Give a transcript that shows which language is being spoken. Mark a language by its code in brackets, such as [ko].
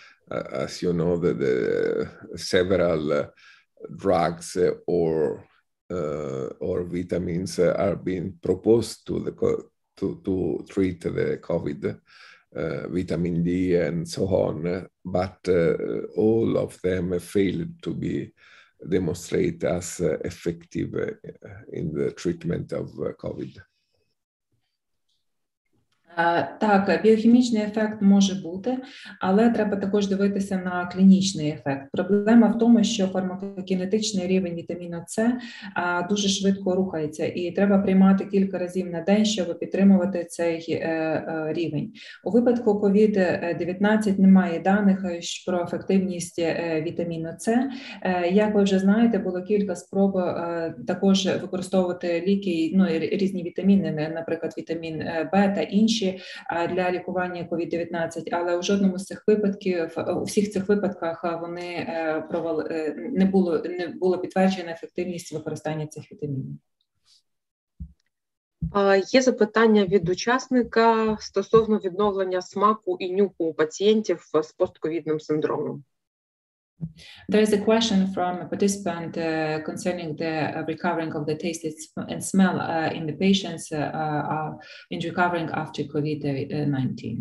[en] As you know, the several drugs or vitamins are being proposed to the to treat the COVID, vitamin D and so on, but all of them failed to be demonstrated as effective in the treatment of COVID. [uk] Так, біохімічний ефект може бути, але треба також дивитися на клінічний ефект. Проблема в тому, що фармакокінетичний рівень вітаміну С дуже швидко рухається, і треба приймати кілька разів на день, щоб підтримувати цей рівень. У випадку COVID-19 немає даних про ефективність вітаміну С. Як ви вже знаєте, було кілька спроб також використовувати ліки, ну, різні вітаміни, наприклад, вітамін В та інші, для лікування COVID-19, але у жодному з цих випадків, у всіх цих випадках вони провали, не було підтверджена ефективність використання цих вітамінів. Є запитання від учасника стосовно відновлення смаку і нюху у пацієнтів з постковідним синдромом. [en] There is a question from a participant concerning the recovering of the taste and smell in the patients in recovering after COVID-19.